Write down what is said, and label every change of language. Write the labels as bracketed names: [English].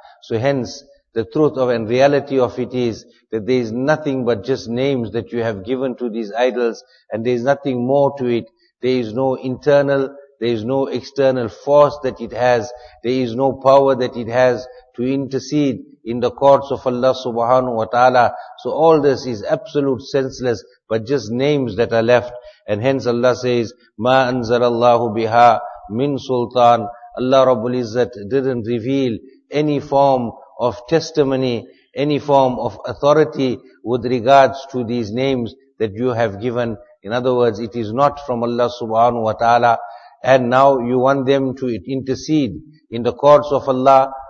[English] So hence, the truth of and reality of it is that there is nothing but just names that you have given to these idols and there is nothing more to it. There is no internal, there is no external force that it has, there is no power that it has to intercede in the courts of Allah subhanahu wa ta'ala. So all this is absolute senseless, but just names that are left. And hence Allah says, [Arabic] مَا أَنزَلَ اللَّهُ بِهَا مِن سُلْطَانٍ. [English] Allah Rabbul Izzat didn't reveal any form of testimony, any form of authority with regards to these names that you have given. In other words, it is not from Allah subhanahu wa ta'ala. And now you want them to intercede in the courts of Allah.